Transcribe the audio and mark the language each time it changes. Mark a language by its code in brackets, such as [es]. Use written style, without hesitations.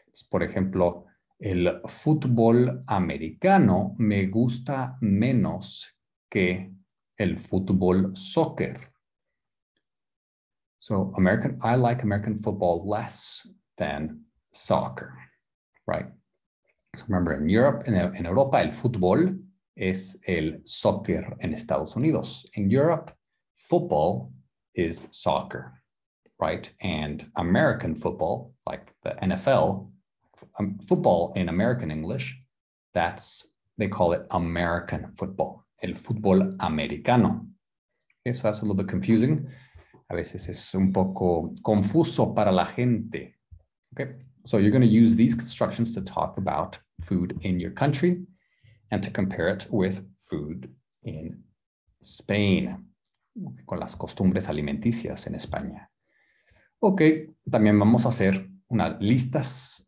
[es] Por ejemplo, el fútbol americano me gusta menos que el fútbol soccer. [en] So, American, I like American football less than soccer, right? So remember, in Europe, [es] en Europa, el fútbol es el soccer en Estados Unidos. [en] In Europe, football is soccer, right? And American football, like the NFL, football in American English, that's, they call it American football, [es] el fútbol americano. [en] Okay, so that's a little bit confusing. [es] A veces es un poco confuso para la gente. [en] Okay, so you're going to use these constructions to talk about food in your country and to compare it with food in Spain, [es] con las costumbres alimenticias en España. Okay, también vamos a hacer unas listas.